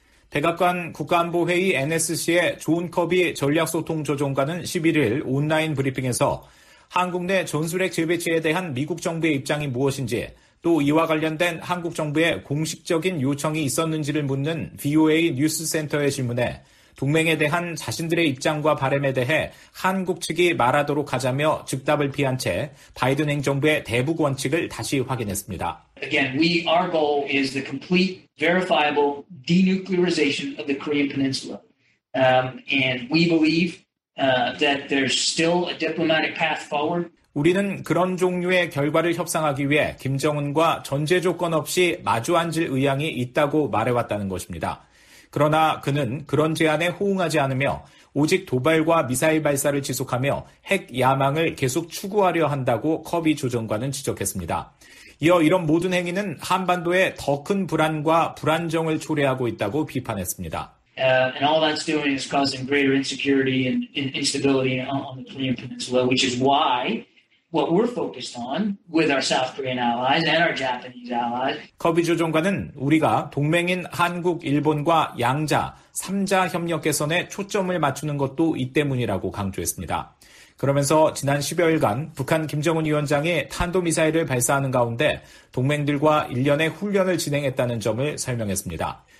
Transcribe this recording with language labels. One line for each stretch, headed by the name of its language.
Korean: 백악관 국가안보회의 NSC의 존 커비 전략소통조정관은 11일 온라인 브리핑에서 한국 내 전술핵 재배치에 대한 미국 정부의 입장이 무엇인지 또 이와 관련된 한국 정부의 공식적인 요청이 있었는지를 묻는 VOA 뉴스센터의 질문에 동맹에 대한 자신들의 입장과 바람에 대해 한국 측이 말하도록 하자며 즉답을 피한 채 바이든 행정부의 대북 원칙을 다시 확인했습니다.
English: Again, our goal is the complete verifiable denuclearization of the Korean Peninsula. And we believe that there's still a diplomatic path forward.
Korean: 우리는 그런 종류의 결과를 협상하기 위해 김정은과 전제 조건 없이 마주 앉을 의향이 있다고 말해왔다는 것입니다. 그러나 그는 그런 제안에 호응하지 않으며 오직 도발과 미사일 발사를 지속하며 핵 야망을 계속 추구하려 한다고 커비 조정관은 지적했습니다. 이어 이런 모든 행위는 한반도에 더 큰 불안과 불안정을 초래하고 있다고 비판했습니다.
English: And all that's doing is causing greater insecurity and instability on the Korean Peninsula, which is why what we're focused on with our South Korean allies and our Japanese allies.
Korean: 커비 조정관은 우리가 동맹인 한국, 일본과 양자, 삼자 협력 개선에 초점을 맞추는 것도 이 때문이라고 강조했습니다. 그러면서 지난 10여일간 북한 김정은 위원장이 탄도미사일을 발사하는 가운데 동맹들과 일련의 훈련을 진행했다는 점을 설명했습니다.